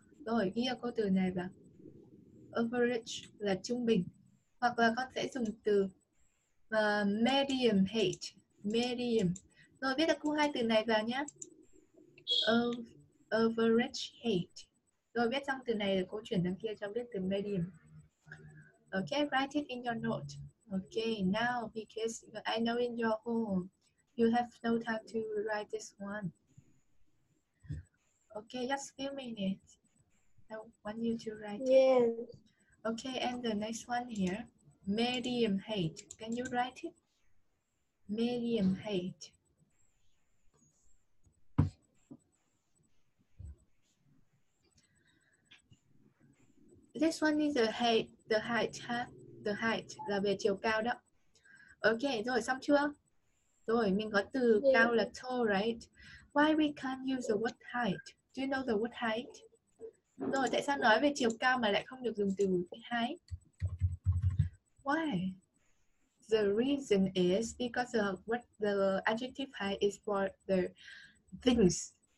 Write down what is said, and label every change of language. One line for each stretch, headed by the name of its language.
Vietnamese: Rồi, ghi ra câu từ này vào. Average là trung bình. Hoặc là con sẽ dùng từ medium height. Medium. Rồi viết ra cú hai từ này vào nhé. Average height. Rồi viết xong từ này rồi cô chuyển sang kia cho viết từ medium.
English: Okay, write it in your note. Okay, now because I know in your home you have no time to write this one. Okay, just a few minutes. I want you to write it. Yes. Okay, and the next one here. Medium height. Can you write it? Medium height. This one is the height, huh?
Vietnamese: The height là về chiều cao đó. Okay, rồi xong chưa? Rồi, mình có từ cao là
English: tall, right? Why we can't use the word height? Do you know the word height?
Vietnamese: Rồi, tại sao nói về chiều cao mà lại không được dùng từ height?
English: Why? The reason is because the adjective height is for the things,